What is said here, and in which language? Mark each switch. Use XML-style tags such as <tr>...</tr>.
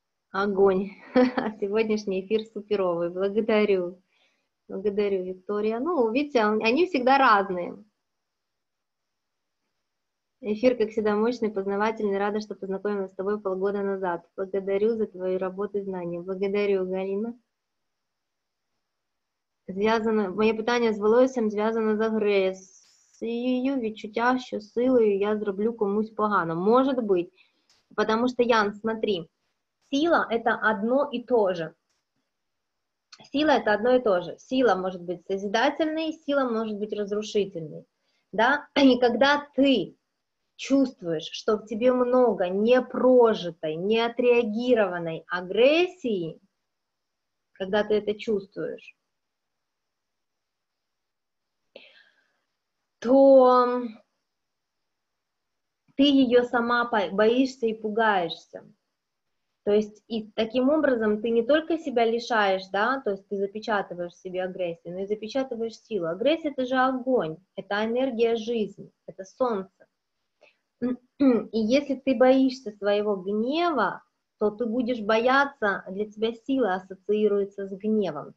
<ru>Огонь. Сегодняшний эфир суперовый. Благодарю. Благодарю, Виктория. Ну, видите, они всегда разные. Эфир, как всегда, мощный, познавательный. Рада, что познакомилась с тобой полгода назад. Благодарю за твою работу и знания. Благодарю, Галина.</ru> <uk>Зв'язано, моє питання з волоссям зв'язано з агресією, відчуття, що силою я зроблю комусь погано. Може бути, тому що, Ян,</uk> <ru>смотри,</ru> <uk>сила – це одно і то же. Сила – це одно і то же. Сила може бути</uk> <ru>созидательною,</ru> <uk>сила може бути розрушительною. Да? І коли ти чувствуєш, що в тебе много непрожитої, неотреагірованої агресії, коли ти це чувствуєш,</uk> <ru>то ты ее сама боишься и пугаешься. То есть и таким образом ты не только себя лишаешь, да, то есть ты запечатываешь себе агрессию, но и запечатываешь силу. Агрессия – это же огонь, это энергия жизни, это солнце. И если ты боишься своего гнева, то ты будешь бояться, для тебя сила ассоциируется с гневом.</ru>